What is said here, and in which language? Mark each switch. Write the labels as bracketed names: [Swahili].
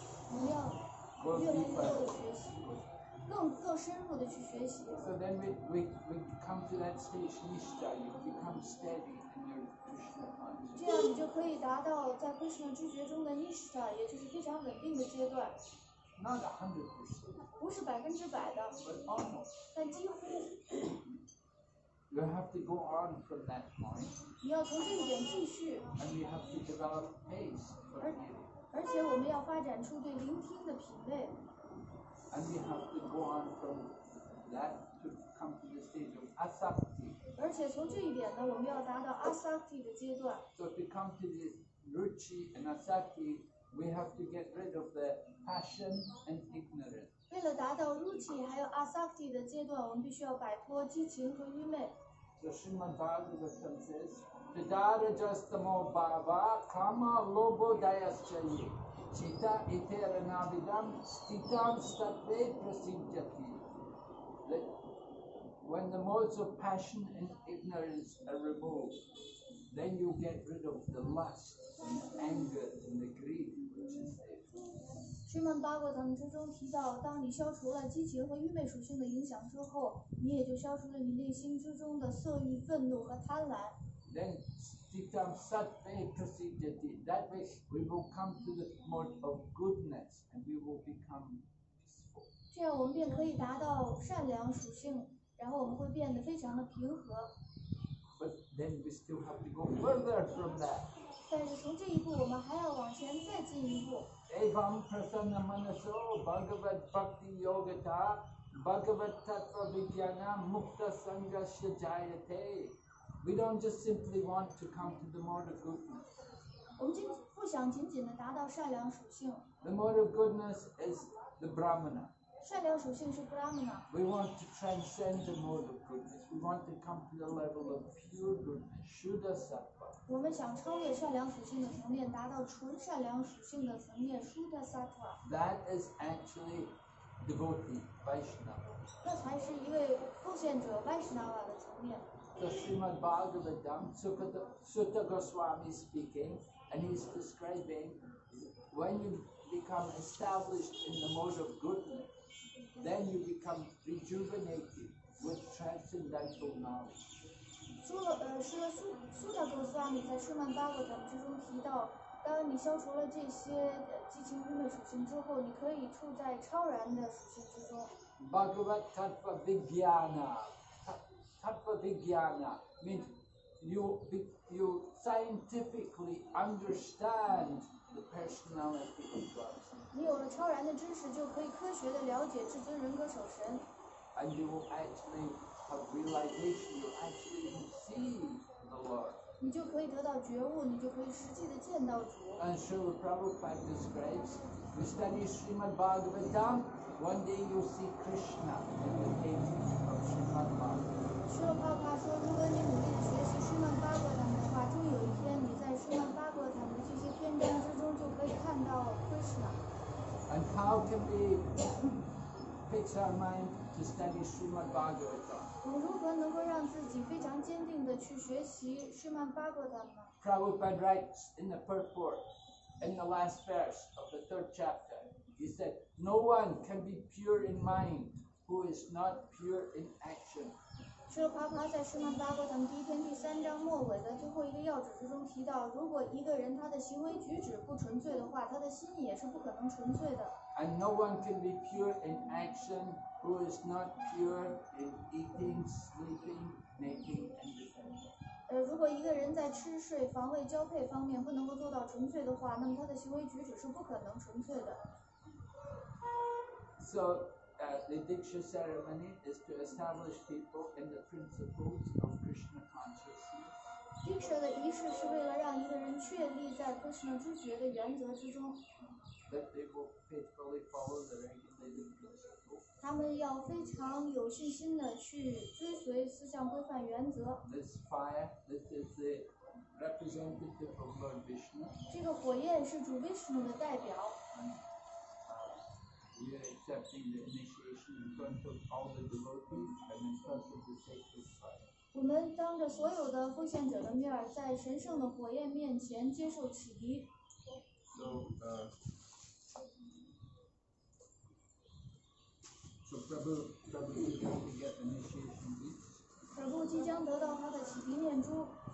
[Chinese] 你要越来越多的学习，更深入的去学习。 [English] So then we come to that stage nishta, you become steady in your Krishna. [Chinese] 这样你就可以达到在 Krishna 知觉中的 nishta, 也就是非常稳定的阶段。 [English] Not 100%. [Chinese] 不是百分之百的。 [English] But almost. [Chinese] 但几乎。 [English] You have to go on from that point. [Chinese] 你要从这一点继续。 [English] And you have to develop pace. [Chinese] 而且我们要发展出对聆听的品味。 [English] And you have to go on from that to come to the stage of asakti. [Chinese] 而且从这一点呢，我们要达到 asakti 的阶段。 [English] So to come to the ruchi and asakti, we have to get rid of the passion and ignorance. [Chinese] 为了达到 Ruchi 还有 Asakti 的阶段，我们必须要摆脱激情和愚昧。 [English] So Srimad Bhagavatam says, [Sanskrit] Tadara jastamo bhava kama lobo dayaschayi chita itera navidam stitam stattve prasintyati. [English] That when the modes of passion and ignorance are removed, then you get rid of the lust and anger and the greed which is there. [Chinese] 师曼巴格腾之中提到，当你消除了激情和愚昧属性的影响之后，你也就消除了你内心之中的色欲、愤怒和贪婪。 [English] Then become sattvic prasiddhi. That way, we will come to the mode of goodness, and we will become [Chinese] 这样我们便可以达到善良属性，然后我们会变得非常的平和。 [English] But then we still have to go further from that. [Chinese] 但是从这一步，我们还要往前再进一步。 [Sanskrit] Evam prasanna manaso bhagavat bhakti yogata bhagavat tattva vijnana mukta sangasya jayate. [English] We don't just simply want to come to the mode of goodness. [Chinese] 我们不想仅仅的达到善良属性。 [English] The mode of goodness is the brahmana. [Chinese] 善良属性是 Brahmana。 [English] We want to transcend the mode of goodness. We want to come to the level of pure goodness, Shuddha Sattva. [Chinese] 我们想超越善良属性的层面，达到纯善良属性的层面 ，Shuddha Sattva。 [English] That is actually devotee Vaishnava. [Chinese] 那才是一位奉献者 Vaishnava 的层面。 [English] The Srimad Bhagavatam Sutta Goswami speaking, and he's describing when you become established in the mode of goodness. Then you become rejuvenated with transcendental knowledge. [Chinese] 是苏达多斯阿米在《圣曼巴格》等之中提到，当你消除了这些激情愚昧属性之后，你可以处在超然的属性之中。 [Sanskrit] Bhagavat tattva vijnana, tattva vijnana [English] means you scientifically understand the personality of God. [Chinese] 你有了超然的知识，就可以科学地了解至尊人格守神。 [English] And you will actually have realization. You actually can see the Lord. [Chinese] 你就可以得到觉悟，你就可以实际地见到主。 [English] And Srila Prabhupada describes, you study Srimad Bhagavatam, one day you see Krishna in the pages of Srimad Bhagavatam. [Chinese] 师父帕帕说，如果你努力地学习师曼巴格坦的话，终有一天你在师曼巴格坦的这些篇章之中就可以看到 Krishna。 [English] And how can we fix our mind to study Srimad Bhagavatam? [Chinese] 我如何能够让自己非常坚定地去学习师曼巴格坦呢？ [English] Prabhupada writes in the purport, in the last verse of the third chapter, he said, "No one can be pure in mind who is not pure in action." [Chinese] 师父帕帕在师曼巴格坦第一篇第三章末尾的最后一个要旨之中提到，如果一个人他的行为举止不纯粹的话，他的心也是不可能纯粹的。 [English] And no one can be pure in action who is not pure in eating, sleeping, making, and dependent. [Chinese] 如果一个人在吃睡、防卫、交配方面不能够做到纯粹的话，那么他的行为举止是不可能纯粹的。 [English] So. The Diksha ceremony is to establish people in the principles of Krishna consciousness. [Chinese] Diksha 的仪式是为了让一个人确立在 Krishna 知觉的原则之中。 [English] That they will faithfully follow the regulating principle. [Chinese] 他们要非常有信心的去追随思想规范原则。 [English] This fire, this is the representative of Lord Vishnu. [Chinese] 这个火焰是主 Vishnu 的代表。 [English] We are accepting the initiation in front of all the devotees and in front of the sacred fire. [Chinese] 我们当着所有的奉献者的面，在神圣的火焰面前接受启迪。 [English] So Prabhu is going to get initiation beads. [Chinese] Prabhu 即将得到他的启迪念珠。